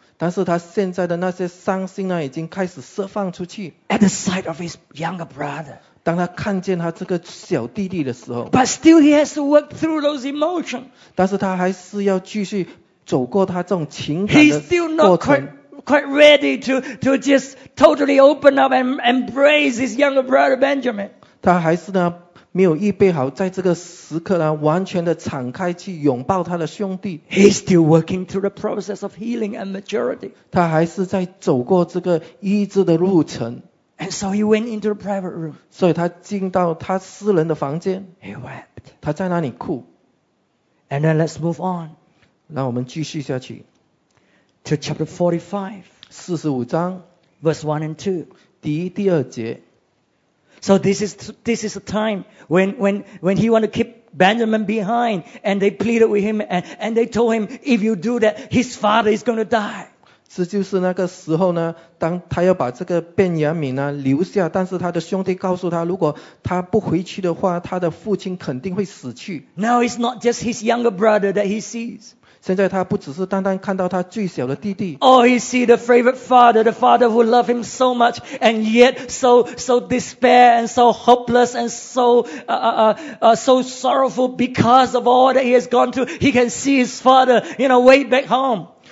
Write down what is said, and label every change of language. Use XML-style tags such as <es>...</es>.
<zh>但是他现在的那些伤心呢，已经开始释放出去。</zh> <en>At the sight of his younger brother.</en> <zh>当他看见他这个小弟弟的时候。</zh> <en>But still he has to work through those emotions.</en> <zh>但是他还是要继续走过他这种情感的过程。</zh> <en>He's still not quite ready to just totally open up and embrace his younger brother Benjamin.</en> <zh>他还是呢没有预备好在这个时刻呢完全的敞开去拥抱他的兄弟。</zh> <en>He's still working through the process of healing and maturity.</en> <zh>他还是在走过这个医治的路程。</zh> <en>And so he went into the private room.</en> <zh>所以他进到他私人的房间。</zh> <en>He wept.</en> <zh>他在那里哭。</zh> <en>And then let's move on.</en> <zh>让我们继续下去。</zh> <en>to chapter 45.</en> <zh>45章,</zh> <en>verse 1 and 2.</en> <zh>第一、第二节.</zh> <en>So this is a time when he wanted to keep Benjamin behind, and they pleaded with him, and they told him, if you do that, his father is going to die.</en> <zh>这就是那个时候呢，当他要把这个便雅悯呢留下，但是他的兄弟告诉他，如果他不回去的话，他的父亲肯定会死去。</zh> <en>Now it's not just his younger brother that he sees.</en> <zh>现在他不只是单单看到他最小的弟弟。</zh> <en>Oh, he sees the favorite father, the father who loved him so much, and yet so despair and so hopeless and so sorrowful because of all that he has gone through. He can see his father, you know, way back home.</en>